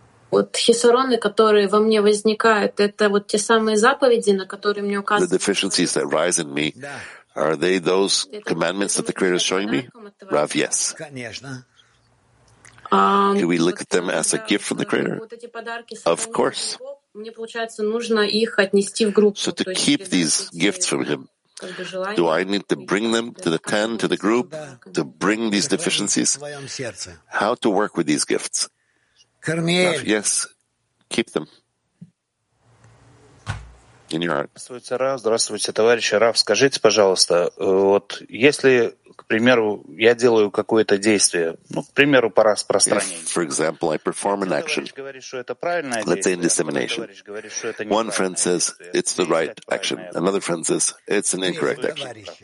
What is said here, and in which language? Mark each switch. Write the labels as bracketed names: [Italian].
[Russian] Вот хисароны, которые во мне возникают, это вот те самые заповеди, на которые мне указывают. [English] The deficiencies that rise in me, are they those commandments that the Creator is showing me? Rav, yes. [Russian] Конечно. [English] Can we look at them as a gift from the Creator? Of course. [Russian] Мне получается нужно их отнести в группу. [English] So to keep these gifts from him. Do I need to bring them to the 10, to the group, to bring these deficiencies? How to work with these gifts? Carmiel. Yes, keep them in your heart. [Russian] Здравствуйте, Рав. Здравствуйте, товарищи. Рав, скажите, пожалуйста, вот если, к примеру, я делаю какое-то действие, ну, к примеру, по распространению. [English] If, for example, I perform an action. Let's say in dissemination. One friend says, it's the right action. Another friend says, it's an incorrect action.